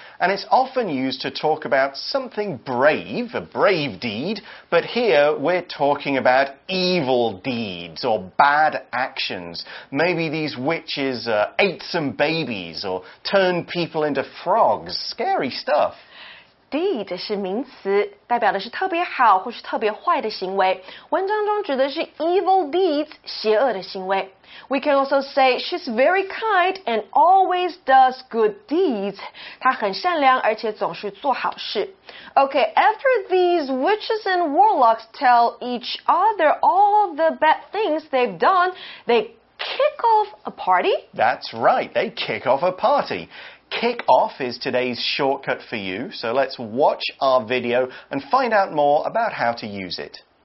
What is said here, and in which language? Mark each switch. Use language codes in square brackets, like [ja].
[en] And it's often used to talk about something brave, a brave deed, but here we're talking about evil deeds or bad actions. Maybe these witches, ate some babies or turned people into frogs. Scary stuff. [zh] Deed 是名词，代表的是特别好或是特别坏的行为。文章中指的是 [en] evil deeds, [zh] 邪恶的行为。 [en] We can also say she's very kind and always does good deeds. [zh] 她很善良而且总是做好事。 [en] Okay, after these witches and warlocks tell each other all the bad things they've done, they kick off a party? That's right, they kick off a party. Kick off is today's shortcut for you, so let's watch our video and find out more about how to use it.